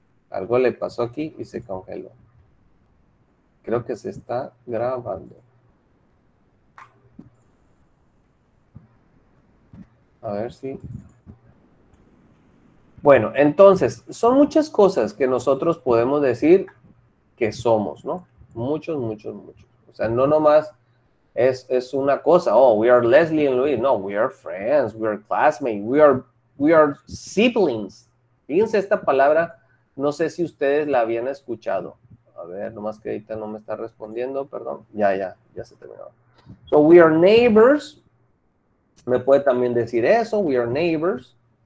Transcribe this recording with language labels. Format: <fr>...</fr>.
<es>Algo le pasó aquí y se congeló. Creo que se está grabando. A ver si. Bueno, entonces, son muchas cosas que nosotros podemos decir que somos, ¿no? Muchos, muchos, muchos. O sea, no nomás es una cosa,</es> <en>oh, we are Leslie and Luis. No, we are friends, we are classmates, we are siblings.</en> <es>Fíjense esta palabra, no sé si ustedes la habían escuchado. A ver, nomás que ahorita no me está respondiendo, perdón. Ya se terminó.</es> <en>So, we are neighbors.</en> <es>Me puede también decir eso,</es> <en>we are neighbors.</en>